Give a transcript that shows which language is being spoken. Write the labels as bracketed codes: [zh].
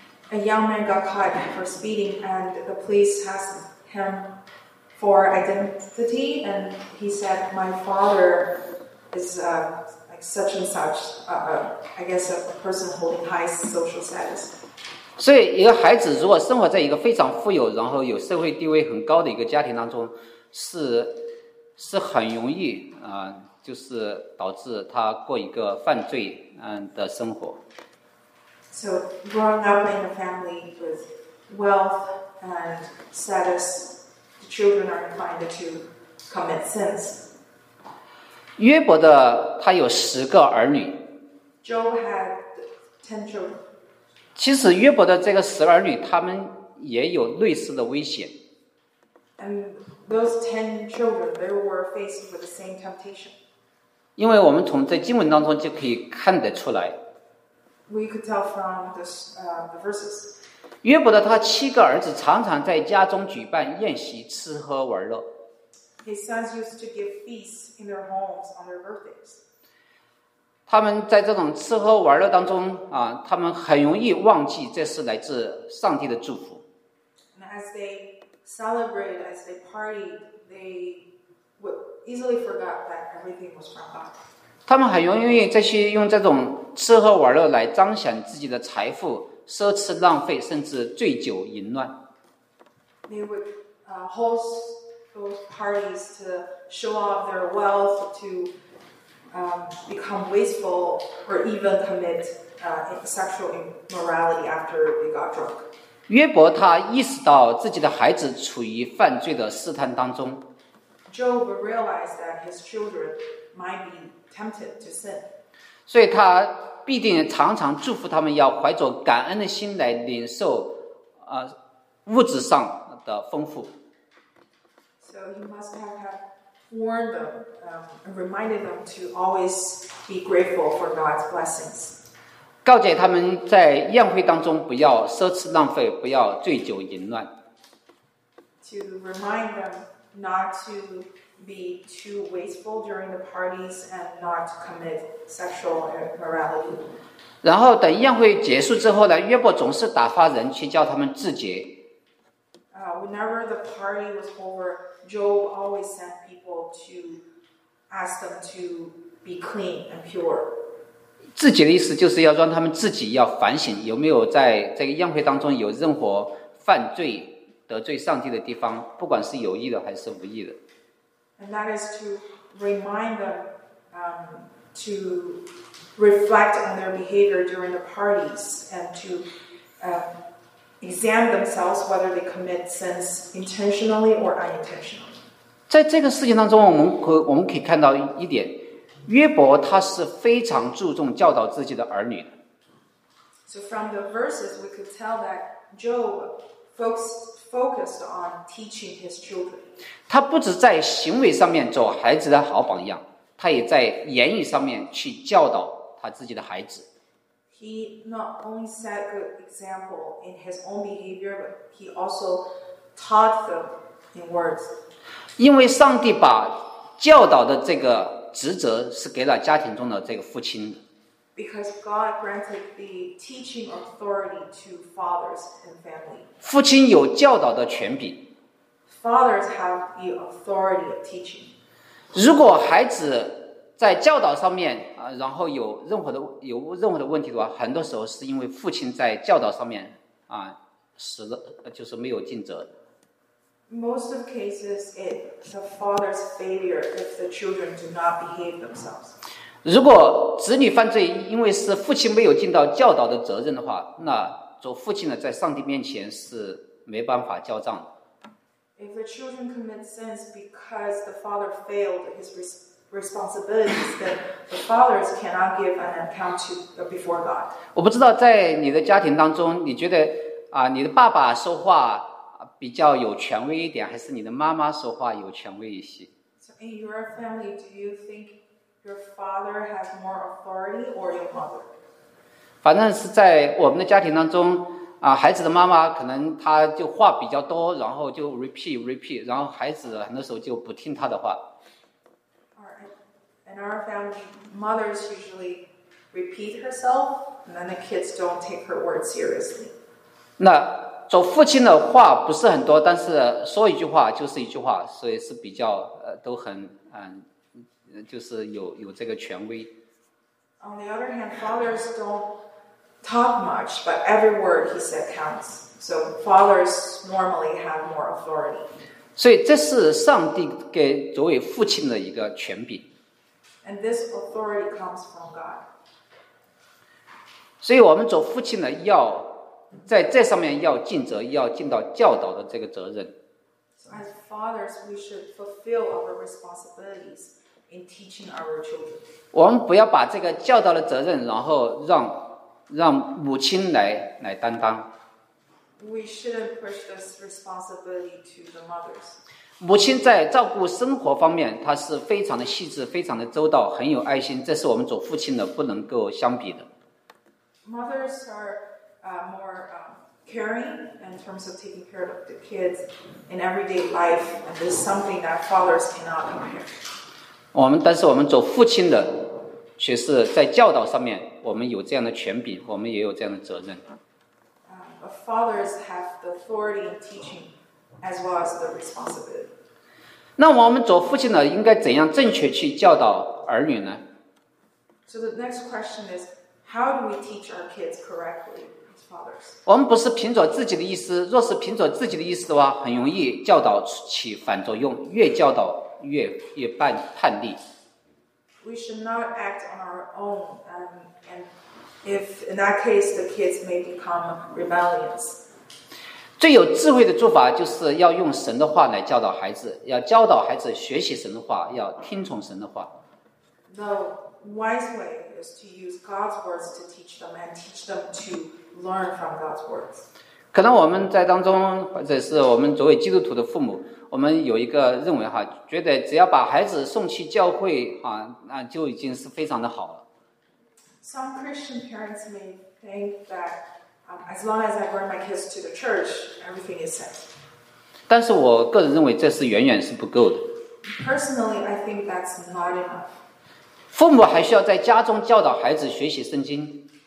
[en] A young man got caught for speeding, and the police asked him. For identity, and he said, "My father is like such and such. I guess a person holding high social status." [zh] 所以，一个孩子如果生活在一个非常富有，然后有社会地位很高的一个家庭当中，是很容易就是导致他过一个犯罪的生活。 [en] So, growing up in a family with wealth and status. Children are inclined to commit sins. [zh] 约伯的他有十个儿女。 [en] Job had 10 children. [zh] 其实约伯的这个十儿女，他们也有类似的危险。 [en] And those 10 children, they were faced with the same temptation. [zh] 因为我们从这经文当中就可以看得出来。 [en] We could tell from this, the verses. [zh] 约伯的他七个儿子常常在家中举办宴席，吃喝玩乐。 [en] His sons used to give feasts in their homes on their birthdays. [zh] 他们在这种吃喝玩乐当中他们很容易忘记这是来自上帝的祝福。 [en] And as they celebrated, as they partied, they would easily forget that everything was from God. [zh] 他们很容易这些用这种吃喝玩乐来彰显自己的财富。奢侈浪费，甚至醉酒淫乱。 [en] They would host those parties to show off their wealth to become wasteful or even commit sexual immorality after they got drunk. [zh] 约伯他意识到自己的孩子处于犯罪的试探当中。 [en] Job realized that his children might be tempted to sin. [zh] 所以他。必定常常祝福他们要怀着感恩的心来领受物质上的丰富。 [en] So he must have warned them and reminded them to always be grateful for God's blessings. [zh] 告诫他们在宴会当中不要奢侈浪费，不要醉酒淫乱。 [en] To remind them not to be too wasteful during the parties and not to commit sexual immorality. [zh] 然后等宴会结束之后呢，约伯总是打发人去叫他们自洁。 [en] Whenever the party was over, Job always sent people to ask them to be clean and pure. [zh] 自己的意思就是要让他们自己要反省，有没有在这个宴会当中有任何犯罪得罪上帝的地方，不管是有意的还是无意的。 [en] And that is to remind them to reflect on their behavior during the parties and to examine themselves whether they commit sins intentionally or unintentionally. [zh] 在这个事情当中，我们可以看到一点，约伯他是非常注重教导自己的儿女的。 [en] So from the verses, we could tell that Job focused on teaching his children. [zh] 他不只在行为上面做孩子的好榜样，他也在言语上面去教导他自己的孩子。 [en] He not only set good example in his own behavior, but he also taught them in words. [zh] 因为上帝把教导的这个职责是给了家庭中的这个父亲的。 [en] Because God granted the teaching authority to fathers and family. [zh] 父亲有教导的权柄。 [en] Fathers have the authority of teaching. [zh] 如果孩子在教导上面然后有任何的问题的话，很多时候是因为父亲在教导上面死了，就是没有尽责。 [en] Most of cases, it's the father's failure if the children do not behave themselves. [zh] 如果子女犯罪，因为是父亲没有尽到教导的责任的话，那做父亲的在上帝面前是没办法交账的。 [en] If the children commit sins because the father failed his responsibilities, then the fathers cannot give an account before God. [zh] 我不知道在你的家庭当中，你觉得你的爸爸说话比较有权威一点，还是你的妈妈说话有权威一些？ [en] So in your family, do you think your father has more authority or your mother? [zh] 反正是在我们的家庭当中孩子的妈妈可能她就话比较多，然后就 repeat， 然后孩子很多时候就不听她的话。 [en] In our family, mothers usually repeat herself, and then the kids don't take her word seriously. 那做父亲的话不是很多，但是说一句话就是一句话，所以是比较都很就是有这个权威。 On the other hand, fathers don't talk much, but every word he said counts. So fathers normally have more authority. [zh] 所以这是上帝给作为父亲的一个权柄。 [en] And this authority comes from God. [zh] 所以我们做父亲的要在这上面要尽责，要尽到教导的这个责任。 [en] So as fathers, we should fulfill our responsibilities in teaching our children. [zh] 我们不要把这个教导的责任，然后让母亲来担当。 [en] We shouldn't push this responsibility to the mothers. [zh] 母亲在照顾生活方面，她是非常的细致，非常的周到，很有爱心，这是我们做父亲的不能够相比的。 [en] Mothers are caring in terms of taking care of the kids in everyday life, and this is something that fathers cannot compare. [zh] 但是我们做父亲的，却是在教导上面，我们有这样的权柄，我们也有这样的责任。 [en] But fathers have the authority in teaching as well as the responsibility. [zh] 那我们做父亲的应该怎样正确去教导儿女呢？ [en] So the next question is, how do we teach our kids correctly? [zh] 我们不是凭着自己的意思，若是凭着自己的意思的话，很容易教导起反作用，越教导越叛逆。 [en] We should not act on our own, and if in that case the kids may become rebellious. [zh] 最有智慧的做法就是要用神的话来教导孩子，要教导孩子学习神的话，要听从神的话。 [en] The wise way is to use God's words to teach them and teach them to. Learn from God's words. [zh] 可能我们在当中，或者是我们作为基督徒的父母，我们有一个认为哈，觉得只要把孩子送去教会哈，那就已经是非常的好了。 [en] Some Christian parents may think that as long as I bring my kids to the church, everything is set. [zh] 但是我个人认为这是远远是不够的。 [en] Personally, I think that's not enough. [zh] 父母还需要在家中教导孩子学习圣经。